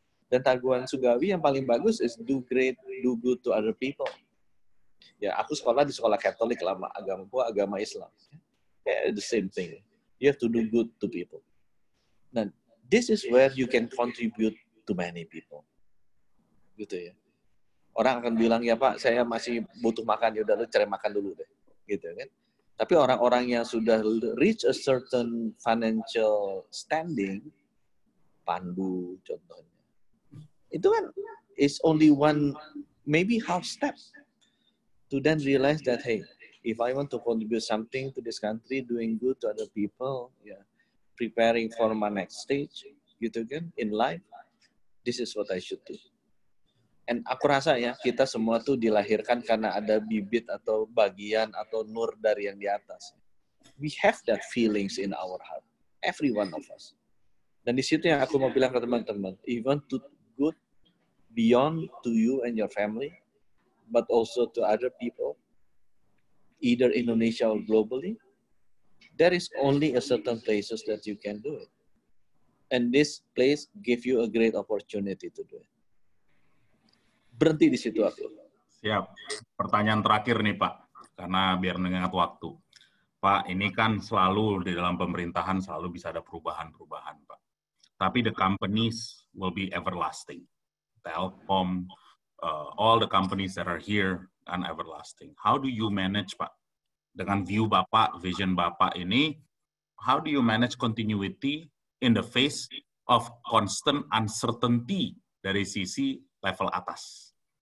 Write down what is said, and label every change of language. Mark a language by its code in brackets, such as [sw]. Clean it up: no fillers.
[id] Dan tabungan surgawi yang paling bagus [en] is do great, do good to other people. [id] Ya aku sekolah di sekolah Katolik lama, agama gua agama Islam. [en] Yeah, the same thing. You have to do good to people. Nah, this is where you can contribute to many people. [id] Gitu ya. Orang akan bilang, ya Pak, saya masih butuh makan, ya udah lu cari makan dulu deh. Gitu kan. Tapi orang-orang yang sudah [en] reach a certain financial standing, Pandu [id] contohnya, itu kan [en] is only one, maybe half step to then realize that, hey, if I want to contribute something to this country, doing good to other people, yeah, preparing for my next stage, [id] gitu kan, [en] in life, this is what I should do. [id] And aku rasa ya, kita semua tuh dilahirkan karena ada bibit atau bagian atau nur dari yang di atas. [en] We have that feelings in our heart. Every one of us. [id] Dan di situ yang aku mau bilang ke teman-teman, [en] even to good beyond to you and your family, but also to other people, either Indonesia or globally, there is only a certain places that you can do it. And this place give you a great opportunity to do it. [id] Berhenti di situ aku. Siap. Pertanyaan terakhir nih Pak, karena biar mengingat waktu. Pak, ini kan selalu di dalam pemerintahan selalu bisa ada perubahan-perubahan Pak. [en] Tapi the companies will be everlasting. Telkom, all the companies that are here and everlasting. How do you manage Pak? [id] Dengan view Bapak, vision Bapak ini, [en] how do you manage continuity in the face of constant uncertainty [id] dari sisi level atas?